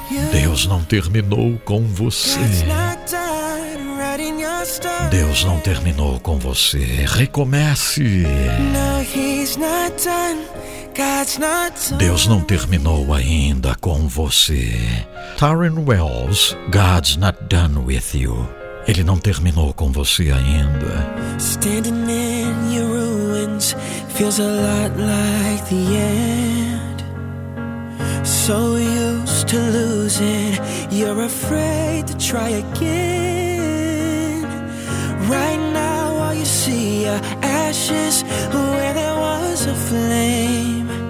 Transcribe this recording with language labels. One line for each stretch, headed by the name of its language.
Portuguese: Deus não terminou com você. Deus não terminou com você. Recomece. Deus não terminou ainda com você.
English: Taryn Wells, God's not done with you.
Portuguese: Ele não terminou com você ainda.
English: Standing in your ruins feels a lot like the end. So used to losing, you're afraid to try again. Right now all you see are ashes where there was a flame.